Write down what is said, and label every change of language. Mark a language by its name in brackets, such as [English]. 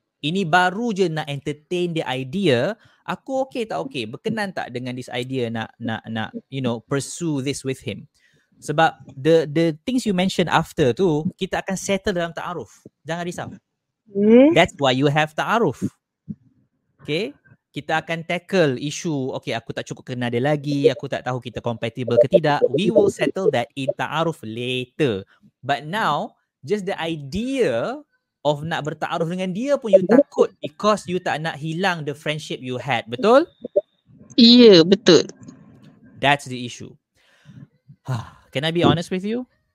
[Malay] Ini baru je nak [English] entertain the idea, [Malay] aku okay tak okay, berkenan tak dengan [English] this idea [Malay] nak [English] you know pursue this with him. [Malay] Sebab [English] the things you mention after [Malay] tu, kita akan settle dalam ta'aruf. Jangan risau. [English] That's why you have ta'aruf. Okay? [Malay] Kita akan tackle isu, okay aku tak cukup kenal dia lagi, aku tak tahu kita compatible ke tidak. [English] We will settle that in ta'aruf later. But now, just the idea of [Malay] nak berta'aruf dengan dia pun [English] you takut because you [Malay] tak nak hilang [English] the friendship you had. [Malay] Betul? [English] Yeah, [Malay] betul. [English] That's the issue. Can I be honest with you?